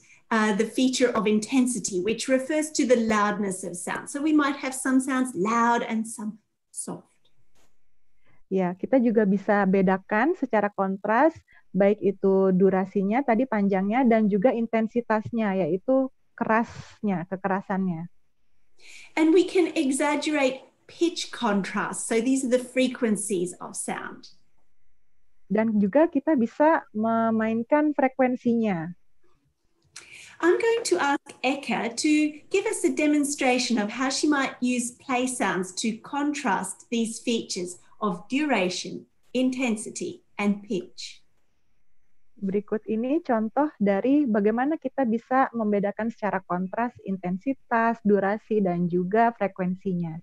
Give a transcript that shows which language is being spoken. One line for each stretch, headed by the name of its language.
English: The feature of intensity, which refers to the loudness of sound. So we might have some sounds loud and some soft.
Indonesian: Ya, kita juga bisa bedakan secara kontras, baik itu durasinya, tadi panjangnya, dan juga intensitasnya, yaitu kerasnya, kekerasannya.
English: And we can exaggerate pitch contrast. So these are the frequencies of sound.
Indonesian: Dan juga kita bisa memainkan frekuensinya.
English: I'm going to ask Eka to give us a demonstration of how she might use play sounds to contrast these features of duration, intensity, and pitch.
Indonesian: Berikut ini contoh dari bagaimana kita bisa membedakan secara kontras intensitas, durasi, dan juga frekuensinya.